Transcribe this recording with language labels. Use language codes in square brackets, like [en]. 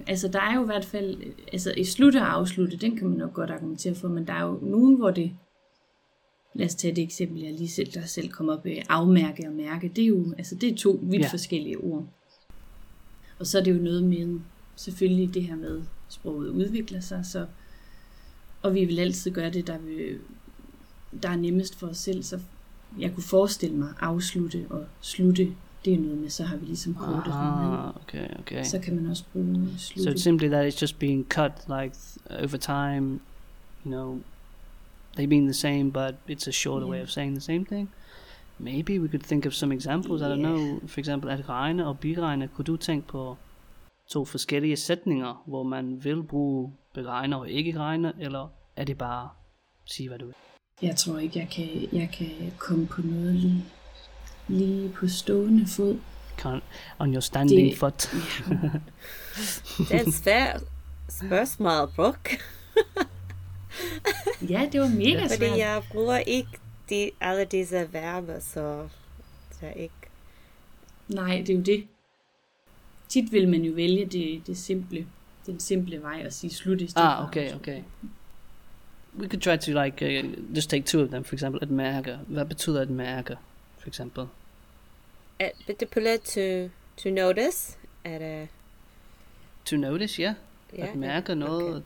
[da] Altså, der er jo i hvert fald, altså i slutte og afslutte, den kan man nok godt argumentere for, men der er jo nogen, hvor det, lad os tage det eksempel, jeg lige selv, der selv kom op, afmærke og mærke, det er jo, altså det er to vidt forskellige ord. Og så er det jo noget med, selvfølgelig det her med sproget udvikler sig, så, og vi vil altid gøre det, der er nemmest for os selv, så jeg kunne forestille mig afslutte og slutte, det er noget med, så har vi ligesom kortet det. Okay. Så kan man også bruge slutte. [en] So it's simply that it's just being cut, like, over time, you know, they mean the same, but it's a shorter way of saying the same thing. Maybe we could think of some examples. Yeah. I don't know, for example, [da] at regne og biregne, kunne du tænke på to forskellige sætninger, hvor man vil bruge beregne og ikke regne, eller er det bare sige, hvad du vil? Jeg tror ikke, jeg kan komme på noget lige på stående fod. [en] On your standing foot. [da] Det er et svært spørgsmål, Brooke. Ja, det var mega svært. Fordi jeg bruger ikke alle disse verber, så der ikke... Nej, det er jo det. Tit vil man jo vælge det simple, den simple vej at sige slut i stedet. Ah, okay. [en] We could try to like just take two of them, for example, at mærke. [da] Hvad betyder at mærke, for eksempel? At betyder [en] to notice. To notice, yeah. [da] Yeah, at mærke noget, okay.